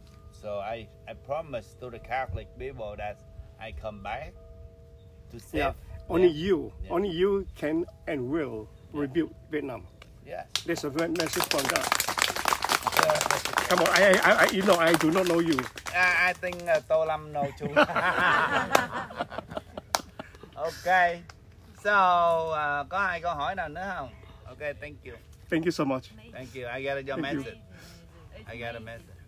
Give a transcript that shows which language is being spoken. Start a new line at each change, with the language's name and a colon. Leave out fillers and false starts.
English: So I promise to the Catholic people that I come back to save. Yeah. Only you, yeah. Only you can and will rebuild Vietnam. Yes. That's a great message from God. Come on, I you know, I do not know you. I think Tô Lâm know too. Okay, so
Vietnamese: có ai có hỏi nào nữa không?
English: Okay, thank you. Thank you so much. Thank you. I got your message. I got a message.